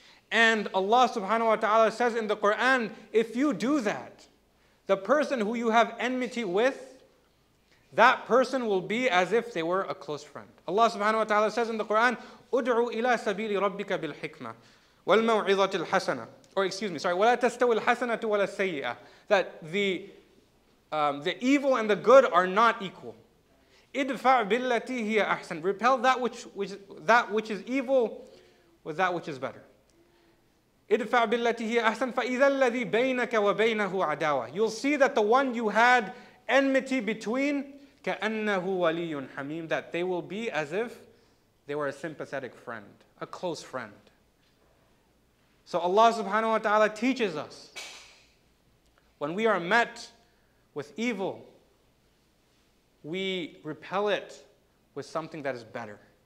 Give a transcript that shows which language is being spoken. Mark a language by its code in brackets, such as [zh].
[en] And Allah subhanahu wa ta'ala says in the Quran, if you do that, the person who you have enmity with, that person will be as if they were a close friend. Allah subhanahu wa ta'ala says in the Quran, [ar] ادعو إلى سبيل ربك بالحكمة والموعظة الحسنة. [en] Or excuse me, sorry, [ar] ولا تستوي الحسنة ولا السيئة. [en] That the evil and the good are not equal. [ar] ادفع بالتي هي أحسن. [en] Repel that which is evil with that which is better. [ar] ادفع بالتي هي أحسن فإذا الذي بينك وبينه عداوة. [en] You'll see that the one you had enmity between, [ar] كأنه ولي حميم. [en] That they will be as if they were a sympathetic friend, a close friend. So Allah subhanahu wa ta'ala teaches us, when we are met with evil, we repel it with something that is better.